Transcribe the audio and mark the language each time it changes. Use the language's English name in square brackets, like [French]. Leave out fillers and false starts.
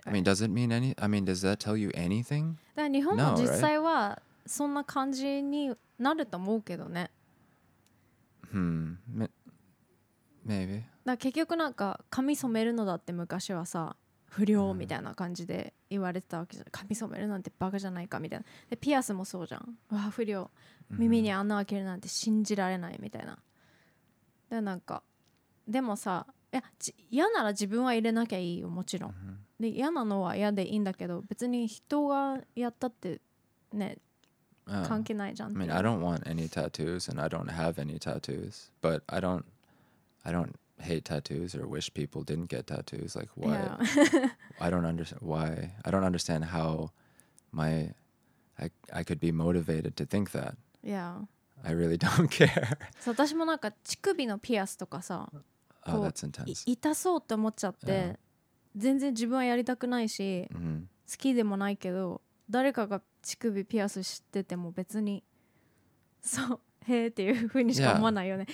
[English] I mean, does it mean any? I mean, does that tell you anything? [Japanese] だから日本も実際はそんな感じになると思うけどね。 [English] Maybe. [Japanese] だ結局なんか髪染めるのだって昔はさ不良みたいな感じで言われてたわけじゃん、髪染めるなんてバカじゃないかみたいな。でピアスもそうじゃん、わ不良、耳に穴開けるなんて信じられないみたいな。でなんかでもさ、いや嫌なら自分は入れなきゃいいよもちろん、で嫌なのは嫌でいいんだけど、別に人がやったってね関係ないじゃん。 [English] I mean, I don't want any tattoos and I don't have any tattoos, but I don't hate tattoos or wish people didn't get tattoos. Like what? Yeah. I don't understand why. I don't understand how my I could be motivated to think that. Yeah. I really don't care. [Japanese] そう、私もなんか乳首のピアスとかさ、 [English] oh, that's intense. [Japanese] 痛そうって思っちゃって、 [English] yeah. [Japanese] 全然自分はやりたくないし、 mm-hmm. 好きでもないけど、誰かが乳首ピアス知ってても別にそう。へーっていう風にしか思わないよね。